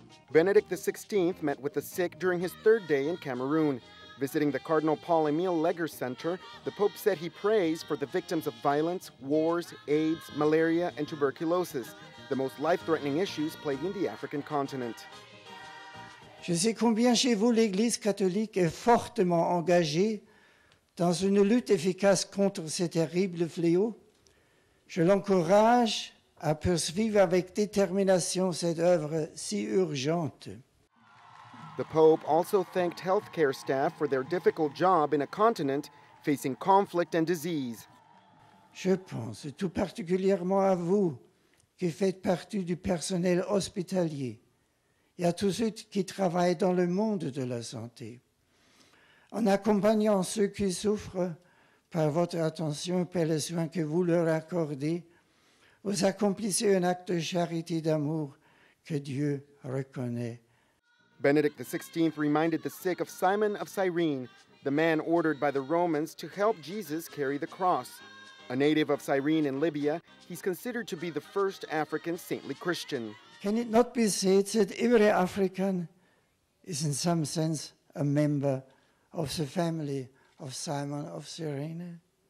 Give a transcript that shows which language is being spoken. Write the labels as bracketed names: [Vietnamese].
[English] Benedict XVI met with the sick during his third day in Cameroon. Visiting the Cardinal Paul-Émile Léger Center, the Pope said he prays for the victims of violence, wars, AIDS, malaria, and tuberculosis, the most life-threatening issues plaguing the African continent. [French] Je sais combien chez vous l'Église catholique est fortement engagée dans une lutte efficace contre ces terribles fléaux. Je l'encourage à poursuivre avec détermination cette œuvre si urgente. [English] The Pope also thanked healthcare staff for their difficult job in a continent facing conflict and disease. [French] Je pense tout particulièrement à vous qui faites partie du personnel hospitalier et à tous ceux qui travaillent dans le monde de la santé. En accompagnant ceux qui souffrent par votre attention et par les soins que vous leur accordez, vous accomplissez un acte de charité d'amour que Dieu reconnaît. [English] Benedict XVI reminded the sick of Simon of Cyrene, the man ordered by the Romans to help Jesus carry the cross. A native of Cyrene in Libya, he's considered to be the first African saintly Christian. Can it not be said that every African is in some sense a member of the family of Simon of Cyrene?